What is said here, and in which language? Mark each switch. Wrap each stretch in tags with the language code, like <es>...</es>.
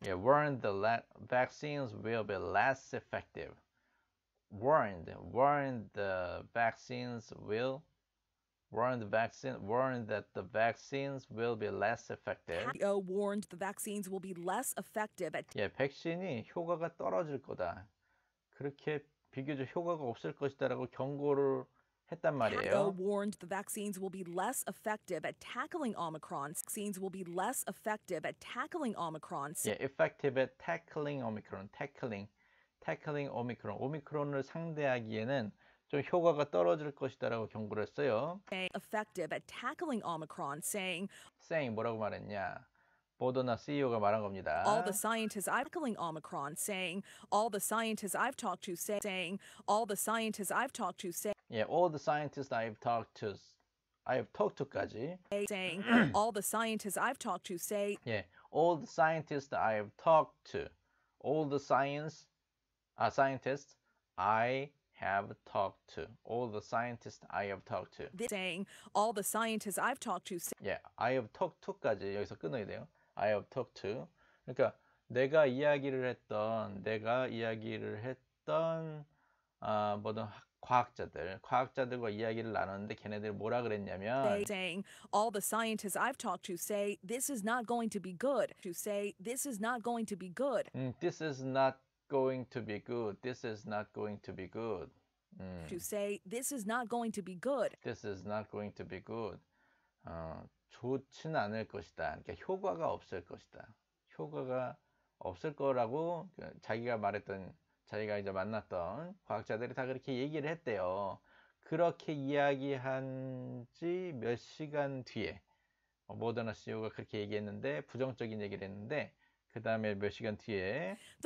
<en>yeah, warned the vaccines will be less effective. Warned that the vaccines will be less effective. CEO warned the vaccines will be less effective at</en> <ko>yeah, 백신이 효과가 떨어질 거다. 그렇게 비교적 효과가 없을 것이다라고 경고를 했단 말이에요.</ko> <en>CEO warned the vaccines will be less effective at tackling Omicron. Vaccines will be less effective at tackling Omicron. Yeah, effective at tackling Omicron. Tackling Omicron.</en> <ko>오미크론을 상대하기에는 좀 효과가 떨어질 것이다라고 경고를 했어요.</ko> <en>Effective at tackling Omicron. Saying</en> <ko>뭐라고 말했냐? 모더나 CEO가 말한 겁니다.</ko> <en>All the scientists I've tackling Omicron saying all the scientists I've talked to say, saying all the scientists I've talked to say yeah all the scientists I've talked to I've talked to까지 saying all the scientists I've talked to say yeah all the scientists I've talked to all the scientists I have talked to all the scientists I have talked to saying all the scientists I've talked to say, yeah I have talked to까지</en> <ko>여기서 끊어야 돼요.</ko> <en>I have talked to.</en> <ko>그러니까 내가 이야기를 했던 모든 과학자들과 이야기를 나눴는데 걔네들이 뭐라 그랬냐면</ko> <en>saying all the scientists I've talked to say this is not going to be good. To say this is not going to be good. This is not going to be good. This is not going to be good. To say this is not going to be good. This is not going to be good.</en> <ko>좋지는 않을 것이다. 그러니까 효과가 없을 것이다. 효과가 없을 거라고 자기가 말했던 자기가 이제 만났던 과학자들이 다 그렇게 얘기를 했대요. 그렇게 이야기한 지 몇 시간 뒤에 모더나 CEO가 그렇게 얘기했는데 부정적인 얘기를 했는데 그다음에 몇 시간 뒤에</ko>